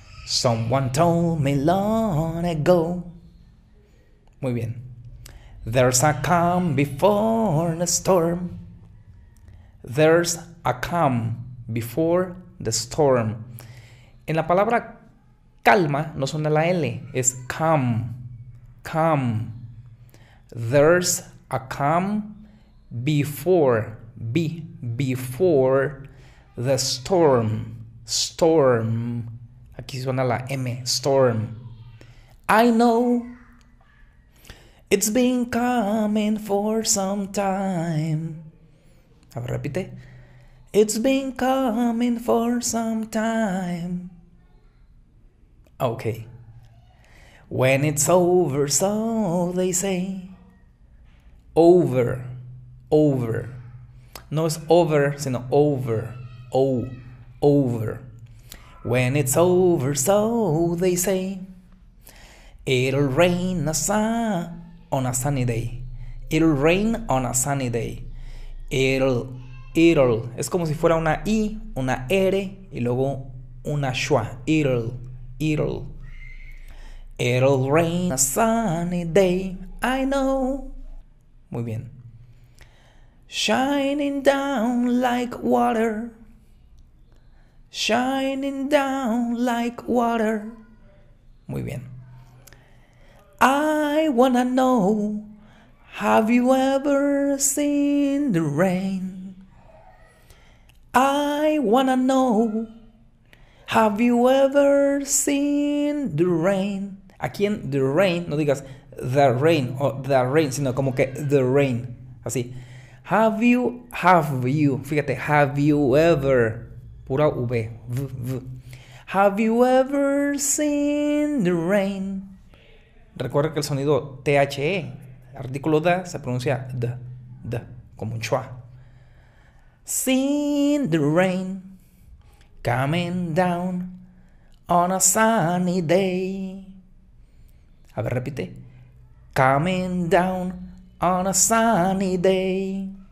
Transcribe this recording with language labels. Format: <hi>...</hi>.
<en>Someone told me long ago.</en> <es>Muy bien.</es> <en>There's a calm before the storm. There's a calm before the storm.</en> <es>En la palabra calma no suena la L, es calm.</es> <en>Calm. There's a calm before, before the storm.</en> <es>Storm. Aquí suena la M, storm.</es> <en>I know it's been coming for some time.</en> <es>A ver, repite.</es> <en>It's been coming for some time. Okay. When it's over, so they say. Over, over.</en> <es>No es over, sino over. O, over.</es> <en>When it's over, so they say. It'll rain a on a sunny day. It'll rain on a sunny day. It'll.</en> <es>Es como si fuera una I, una R y luego una schwa.</es> <en>It'll, it'll. It'll rain a sunny day, I know.</en> <es>Muy bien.</es> <en>Shining down like water. Shining down like water.</en> <es>Muy bien.</es> <en>I wanna know, have you ever seen the rain? I wanna know, have you ever seen the rain?</en> <es>Aquí en the rain, no digas the rain o the rain, sino como que the rain, así.</es> <en>Have you,</en> <es>fíjate,</es> <en>have you ever, pura V, V, V. Have you ever seen the rain?</en> <es>Recuerda que el sonido THE, artículo D, se pronuncia D, D, como un schwa.</es> <en>Seen the rain coming down on a sunny day.</en> <es>A ver, repite.</es> <en>Coming down on a sunny day.</en>